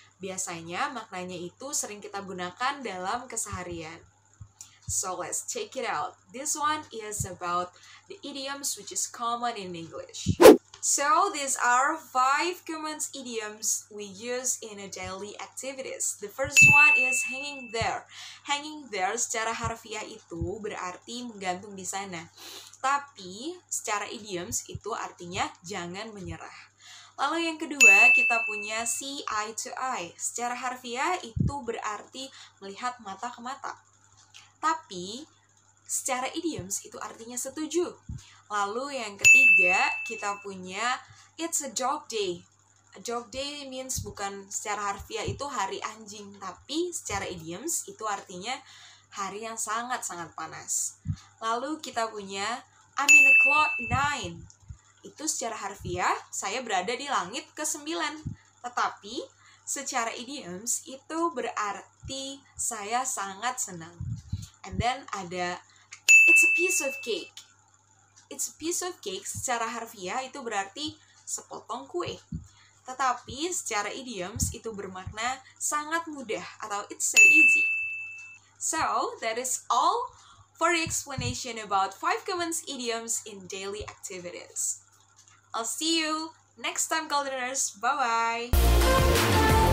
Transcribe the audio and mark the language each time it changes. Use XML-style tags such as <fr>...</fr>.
<id>Biasanya maknanya itu sering kita gunakan dalam keseharian.</id> <en>So let's check it out. This one is about the idioms which is common in English. So these are 5 common idioms we use in a daily activities. The first one is hanging there. Hanging there</en> <id>secara harfiah itu berarti menggantung di sana. Tapi secara idioms itu artinya jangan menyerah. Lalu yang kedua, kita punya</id> <en>see eye to eye.</en> <id>Secara harfiah itu berarti melihat mata ke mata. Tapi secara idioms itu artinya setuju. Lalu yang ketiga, kita punya</id> <en>it's a dog day. A dog day means</en> <id>bukan secara harfiah itu hari anjing, tapi secara idioms itu artinya hari yang sangat-sangat panas. Lalu kita punya</id> <en>I'm in the cloud 9.</en> <id>Itu secara harfiah, saya berada di langit ke-9. Tetapi secara idioms itu berarti saya sangat senang.</id> <en>And then ada it's a piece of cake. It's a piece of cake</en> <id>secara harfiah itu berarti sepotong kue. Tetapi secara idioms itu bermakna sangat mudah atau</id> <en>it's so easy. So, that is all for the explanation about 5 common idioms in daily activities. I'll see you next time, Goldeners. Bye-bye.</en>